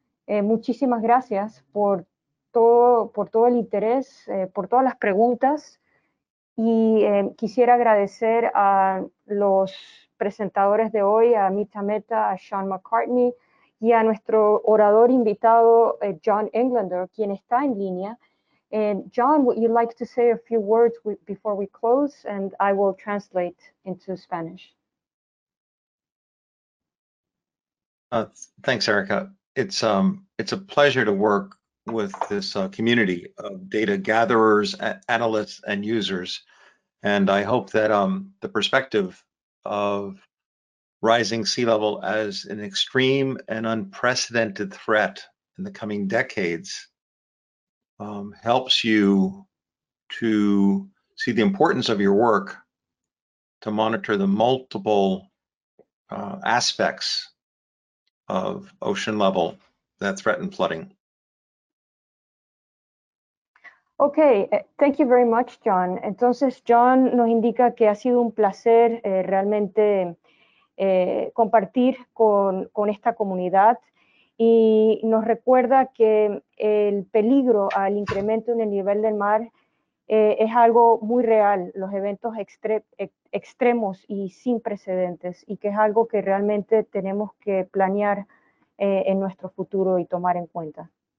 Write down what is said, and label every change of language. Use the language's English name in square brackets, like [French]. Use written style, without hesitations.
[Spanish] Muchísimas gracias por todo el interés, por todas las preguntas. Y quisiera agradecer a los presentadores de hoy, a Amita Mehta, a Sean McCartney y a nuestro orador invitado, John Englander, quien está en línea. [English] And John, would you like to say a few words before we close, and I will translate into Spanish. Thanks, Erica. It's a pleasure to work with this community of data gatherers, analysts, and users. And I hope that the perspective of rising sea level as an extreme and unprecedented threat in the coming decades helps you to see the importance of your work to monitor the multiple aspects of ocean level that threaten flooding. Okay, thank you very much, John. [Spanish] Entonces, John nos indica que ha sido un placer realmente compartir con esta comunidad y nos recuerda que el peligro al incremento en el nivel del mar es algo muy real, los eventos extremos y sin precedentes, y que es algo que realmente tenemos que planear en nuestro futuro y tomar en cuenta.